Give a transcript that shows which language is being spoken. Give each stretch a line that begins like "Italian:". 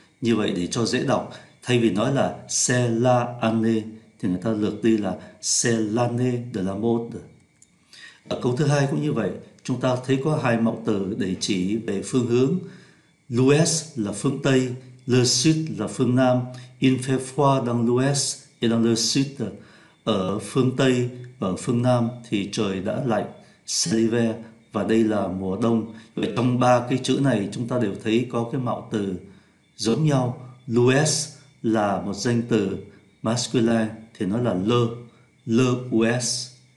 Vietnamese: Như vậy để cho dễ đọc, thay vì nói là
French: c'est la année
Vietnamese: thì người ta lược đi là
French: c'est l'année de la mode.
Vietnamese: Ở câu thứ hai cũng như vậy, chúng ta thấy có hai mạo từ để chỉ về phương hướng. L'ouest là phương Tây, le sud là phương Nam.
French: Il fait froid dans l'ouest et dans le sud.
Vietnamese: Ở phương Tây và ở phương Nam thì trời đã lạnh,
French: c'est l'hiver,
Vietnamese: và đây là mùa đông. Vậy trong ba cái chữ này chúng ta đều thấy có cái mạo từ giống nhau. L'ouest là một danh từ masculine thì nó là l'ouest.